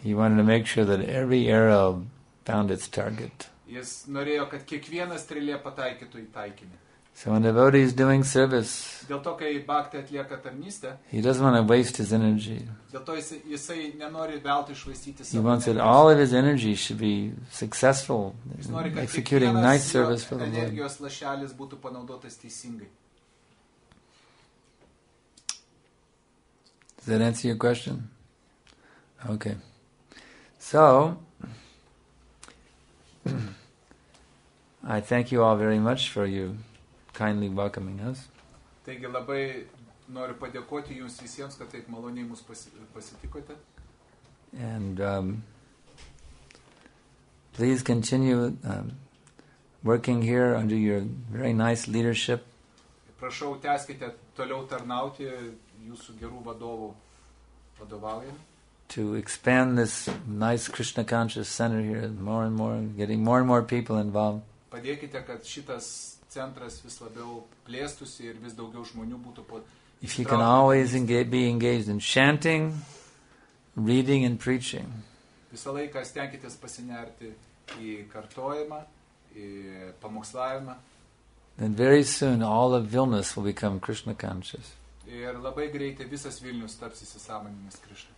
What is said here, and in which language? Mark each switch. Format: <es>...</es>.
<en>He wanted to make sure that every arrow found its target.</en> <lt>Jis norėjo, kad kiekviena strėlė pataikytų į taikinį.</lt> <en>So when a devotee is doing service,</en> <lt>dėl to, kai bhakti atlieka tarnystę,</lt> <en>he doesn't want to waste his energy.</en> <lt>Dėl to jisai nenori veltui švaistyti savo.</lt> <en>He wants that all of his energy should be successful in executing nice service for the Lord.</en> <lt>Energijos lašelis būtų panaudotas teisingai.</lt> <en>Does that answer your question? Okay. So I thank you all very much for you kindly welcoming us.</en> <lt>Taigi labai noriu padėkoti jums visiems, kad taip maloniai mus pasitikote.</lt> <en>And please continue working here under your very nice leadership.</en> <lt>Prašau, tęskite toliau tarnauti jūsų gerų vadovų vadovaujant.</lt> <en>To expand this nice Krishna conscious center here more and more, getting more and more people involved.</en> <lt>Padėkite, kad šitas centras vis labiau plėstųsi ir vis daugiau žmonių būtų po.</lt> <en>If you can always be engaged in chanting, reading and preaching.</en> <lt>Visą laiką stenkitės pasinerti į kartojimą, į pamokslavimą.</lt> <en>Then very soon all of Vilnius will become Krishna conscious.</en> <lt>Ir labai greitai visas Vilnius taps įsisąmoninęs Krišna.</lt>